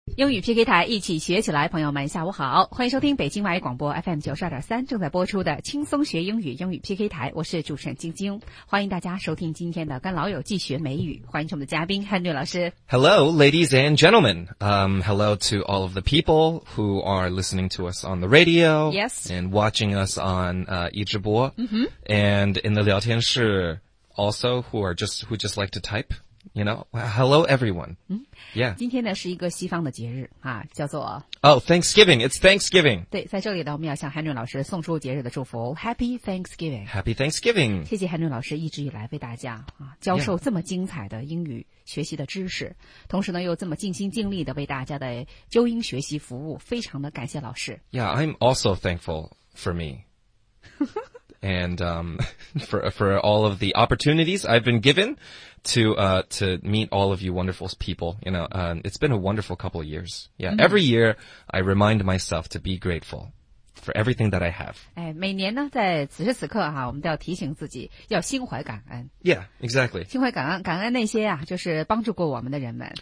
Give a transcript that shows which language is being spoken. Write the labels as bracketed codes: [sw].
[zh] 英语 PK 台一起学起来，朋友们下午好，欢迎收听北京外语广播 FM92.3 正在播出的轻松学英语英语 PK 台，我是主持人晶晶，欢迎大家收听今天的跟老友记学美语，欢迎我们的嘉宾 Henry 老师。 [en] Hello ladies and gentlemen, hello to all of the people who are listening to us on the radio. Yes. And watching us on 一直播、And in the [zh] 聊天室 [en] also who just like to typeYou know, hello everyone. Yeah. [zh] 今天呢是一个西方的节日啊，叫做 [en] Oh, Thanksgiving. It's Thanksgiving. [zh] 对，在这里呢，我们要向 Henry 老师送出节日的祝福。 [en] Happy Thanksgiving. Happy Thanksgiving. [zh] 谢谢 Henry 老师一直以来为大家啊教授这么精彩的英语学习的知识，同时呢又这么尽心尽力的为大家的纠音学习服务，非常的感谢老师。 [en] Yeah, I'm also thankful for me. And, for all of the opportunities I've been given to meet all of you wonderful people. You know, it's been a wonderful couple of years. Yeah. Mm-hmm. Every year I remind myself to be grateful for everything that I have. [zh] 哎，每年呢在此时此刻啊，我们都要提醒自己要心怀感恩。 [en] Yeah, exactly. [zh] 心怀感恩，感恩那些啊就是帮助过我们的人们。